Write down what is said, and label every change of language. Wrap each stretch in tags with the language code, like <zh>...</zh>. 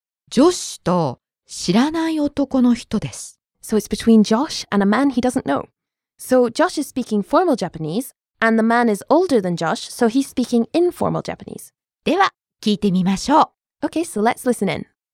<ja>女子と知らない男の人です。</ja> <en>So it's between Josh and a man he doesn't know. So Josh is speaking formal Japanese, and the man is older than Josh, so he's speaking informal Japanese.</en> <ja>では、聞いてみましょう。</ja> <en>Okay, so let's listen in.</en>